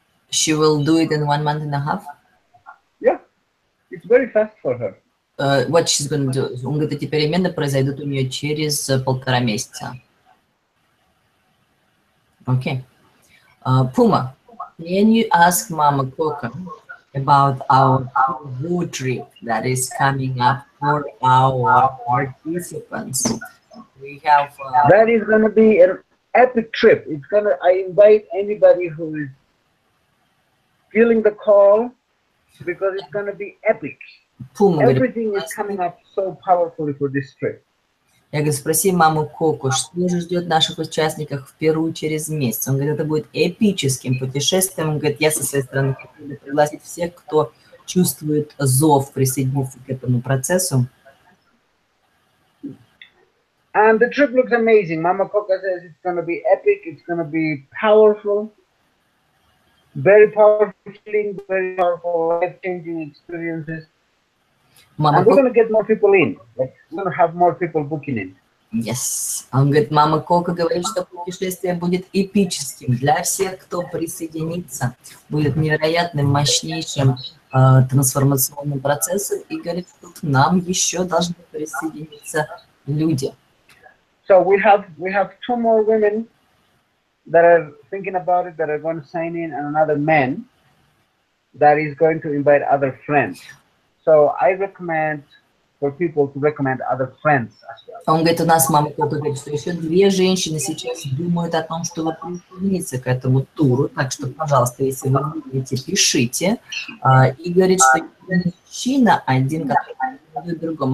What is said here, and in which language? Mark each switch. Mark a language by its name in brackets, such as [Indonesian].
[English] She will do it in 1 month and a half? It's very fast for her. What she's going to do? [Russian] Он говорит, эти перемены произойдут у нее через полтора месяца. [English] Okay. Puma, can you ask Mama Coco about our food trip that is coming up for our participants? We have. That is going to be an epic trip. I invite anybody who is feeling the call. Because it's going to be epic. Puma, everything is coming up so powerfully for this trip. [Russian] Я говорю, спроси маму Коко, что же ждет наших участников в Перу через месяц? Он говорит, это будет эпическим путешествием. Он говорит, я со своей стороны хочу пригласить всех, кто чувствует зов, присоединиться к этому процессу. [English] And the trip looks amazing. Mama Coco says it's going to be epic, it's going to be powerful. Very powerful feeling, very powerful life-changing experiences. Mama, and we're going to get more people in. We're going to have more people booking in. Yes. [Russian] Он говорит, мама Кока говорит, что путешествие будет эпическим для всех, кто присоединится. Будет невероятным, мощнейшим трансформационным процессом. И говорит, что нам еще должны присоединиться люди. [English] So we have two more women that are thinking about it, that are going to sign in, and another man that is going to invite other friends. So I recommend for people to recommend other friends as well. [Russian] Он говорит, у нас мама Кока говорит, что еще две женщины сейчас думают о том, чтобы присоединиться к этому туру. Так что, пожалуйста, если вы будете, пишите. И говорит, что мужчина один, который будет другом.